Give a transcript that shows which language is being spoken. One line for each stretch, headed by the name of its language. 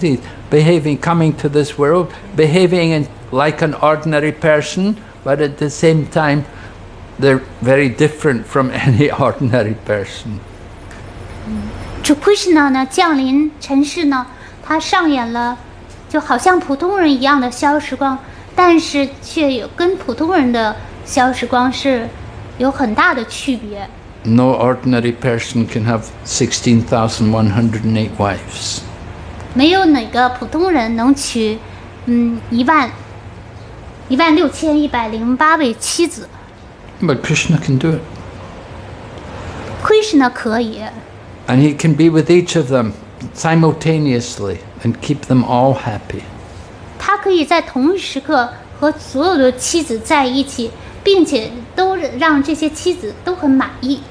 English: He's behaving, coming to this world, behaving like an ordinary person, but at the same time,They're very different from any ordinary person.
Chinese: 主 Krishna 呢降临尘世呢，他上演了就好像普通人一样的消时光，但是却有跟普通人的消时光是有很大的区别。
English: No ordinary person can have 16,108 wives.
Chinese: 没有哪个普通人能娶一万六千一百零八位妻子。
English: But Krishna can do it.
Chinese: Krishna 可以。
English: And he can be with each of them simultaneously and keep them all happy.
Chinese: 他可以在同一时刻和所有的妻子在一起，并且都让这些妻子都很满意。